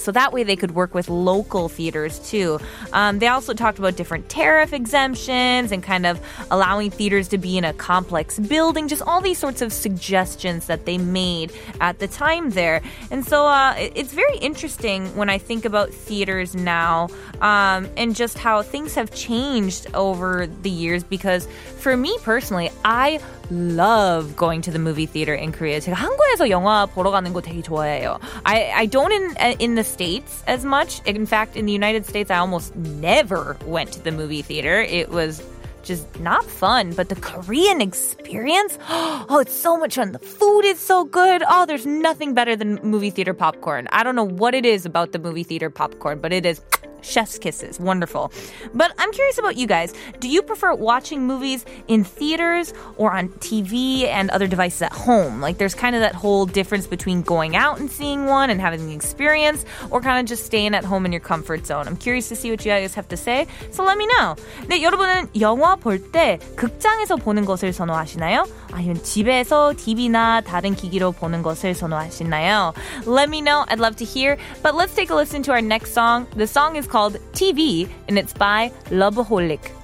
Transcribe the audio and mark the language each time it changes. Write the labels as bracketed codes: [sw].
[en] So that way they could work with local theaters too. They also talked about different tariff exemptions and kind of allowing theaters to be in a complex building, just all these sorts of suggestions that they made at the time there. And so it's very interesting when I think about theaters now and just how things have changed over the years, because for me personally, I love going to the movie theater in Korea. [ko] 제가 한국에서 영화 보러 가는 거 되게 좋아해요. [en] I don't in the States as much. In fact, in the United States, I almost never went to the movie theater. It was just not fun, but the Korean experience, oh, it's so much fun. The food is so good. Oh, there's nothing better than movie theater popcorn. I don't know what it is about the movie theater popcorn, but it is chef's kisses. Wonderful. But I'm curious about you guys. Do you prefer watching movies in theaters or on TV and other devices at home? Like, there's kind of that whole difference between going out and seeing one and having the experience, or kind of just staying at home in your comfort zone. I'm curious to see what you guys have to say. So let me know. [ko] 네, 여러분은 영화 볼 때 극장에서 보는 것을 선호하시나요? 아니면 집에서 TV나 다른 기기로 보는 것을 선호하시나요? [en] Let me know. I'd love to hear. But let's take a listen to our next song. The song is called TV, and it's by Loveholic.